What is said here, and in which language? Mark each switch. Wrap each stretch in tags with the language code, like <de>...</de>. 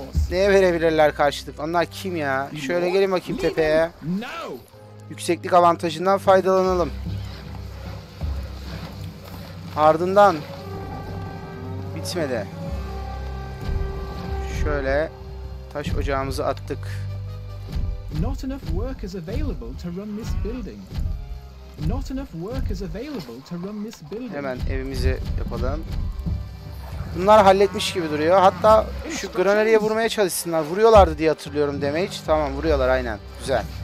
<tr>Neye verebilirler karşılık? Onlar kim ya? Şöyle gelin bakayım tepeye. Yükseklik avantajından faydalanalım. Ardından bitmedi. Şöyle taş ocağımızı attık.</tr> <en>Not enough workers available to run this building. Not enough workers available to run this building.</en> <tr>Hemen evimizi yapalım. Bunlar halletmiş gibi duruyor. Hatta şu granariye vurmaya çalışsınlar. Vuruyorlardı diye hatırlıyorum damage. Tamam, vuruyorlar aynen. Güzel.</tr>